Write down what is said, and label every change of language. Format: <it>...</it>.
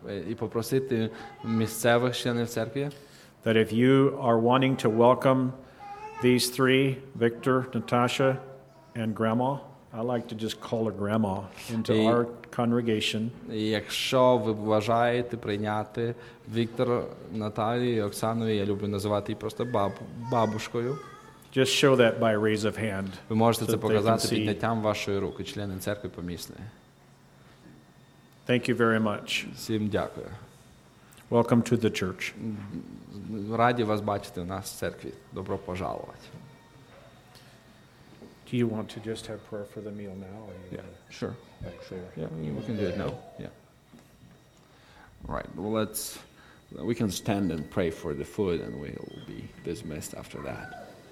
<uk>І попросити місцевих членів церкви.</uk> <en>That if you are wanting to welcome these three, Victor, Natasha, and Grandma, I like to just call her grandma into our congregation.</en> <uk>Якщо ви бажаєте прийняти Віктора, Наталію, Оксану, я люблю називати її просто бабушкою.</uk> <en>Just show that by raise of hand.</en> <uk>Ви можете це показати підняттям вашої руки, члени церкви помісної.</uk> <en>Thank you very much.</en> <uk>Всім дякую.</uk> <en>Welcome to the church.</en> <uk>Раді вас бачити у нас в церкві. Добро пожаловати.</uk> <en>Do you want to just have prayer for the meal now? Yeah, sure. Actually, yeah, we can do it now. Yeah. All right. Well, we can stand and pray for the food and we'll be dismissed after that.</en>